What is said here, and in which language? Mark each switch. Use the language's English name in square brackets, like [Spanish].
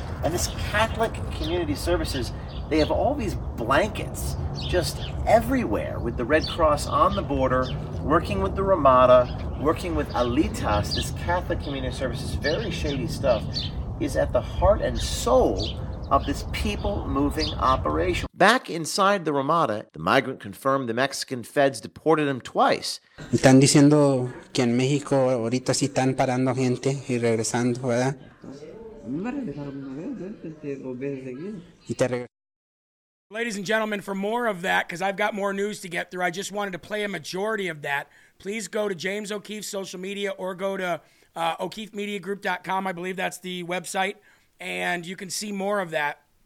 [English] And this Catholic Community Services, they have all these blankets just everywhere with the Red Cross on the border, working with the Ramada, working with Alitas. This Catholic Community Services, very shady stuff, is at the heart and soul of this people-moving operation. Back inside the Ramada, the migrant confirmed the Mexican feds deported him twice. [Spanish] Están diciendo que en México ahorita sí están parando gente y regresando, ¿verdad? Me regresaron una vez, dos veces seguido. [English] Ladies and gentlemen, for more of that, because I've got more news to get through, I just wanted to play a majority of that. Please go to James O'Keefe's social media or go to OkeefeMediaGroup.com, I believe that's the website, and you can see more of that.